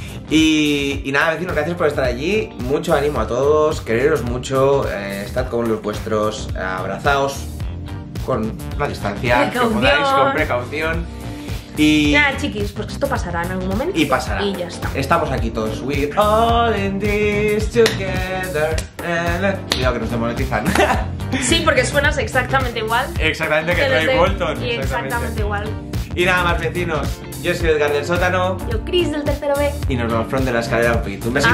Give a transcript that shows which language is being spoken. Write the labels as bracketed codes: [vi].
[es] Y nada, vecinos, gracias por estar allí. Mucho ánimo a todos, quereros mucho, estad con los vuestros, abrazaos con la distancia, precaución. Que podáis, con precaución. Y nada, chiquis, pues esto pasará en algún momento. Y pasará. Y ya está. Estamos aquí todos. [en] We're all in this together. [es] Cuidado que nos demonetizan. Sí, porque suenas exactamente igual. Exactamente, que Troy Bolton. Y exactamente igual. Y nada más, vecinos. Yo soy Edgar del Sótano. Yo, Chris del Tercero B. Y nos vemos pronto en la escalera. Un besito.